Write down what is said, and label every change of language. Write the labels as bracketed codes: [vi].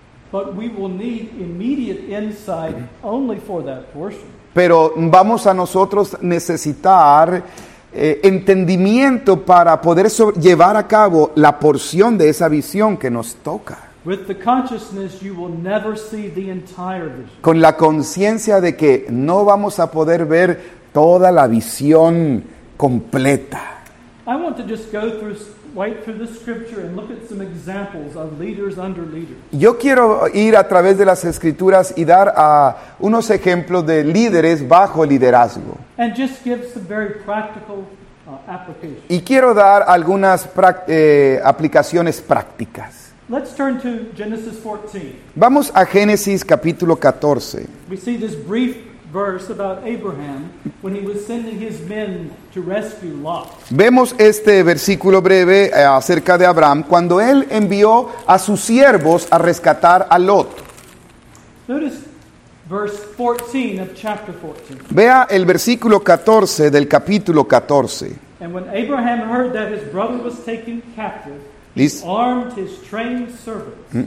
[en] But we will need immediate insight only for that portion. [es] Pero vamos a nosotros necesitar entendimiento para poder llevar a cabo la porción de esa visión que nos toca. [en] With the consciousness, you will never see the entire vision. [es] Con la conciencia de que no vamos a poder ver toda la visión completa. [en] I want to just go through, wade through the scripture and look at some examples of leaders under leaders. [es] Yo quiero ir a través de las escrituras y dar a unos ejemplos de líderes bajo liderazgo. [en] And just give some very practical applications. [es] Y quiero dar algunas aplicaciones prácticas. [en] Let's turn to Genesis 14. [es] Vamos a Génesis capítulo 14. [en] We see this brief verse about Abraham when he was sending his men to rescue Lot. [es] Vemos este versículo breve acerca de Abraham cuando él envió a sus siervos a rescatar a Lot. [en] Notice verse 14 of chapter 14. [es] Vea el versículo 14 del capítulo 14. [en] And when Abraham heard that his brother was taken captive, he armed his trained servants.